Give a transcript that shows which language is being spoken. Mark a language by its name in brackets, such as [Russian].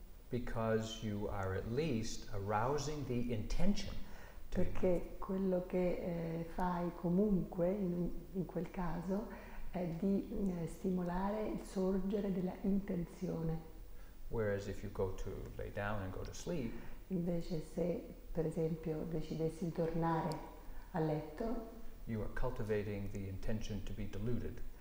[English] Because you are at least arousing the intention. [Italian] Perché quello che fai comunque in quel caso è di stimolare il sorgere della intenzione. [English] Whereas if you go to lay down and go to sleep, [Italian] invece se per esempio decidessi di tornare a letto, [English] you are cultivating the intention to be deluded.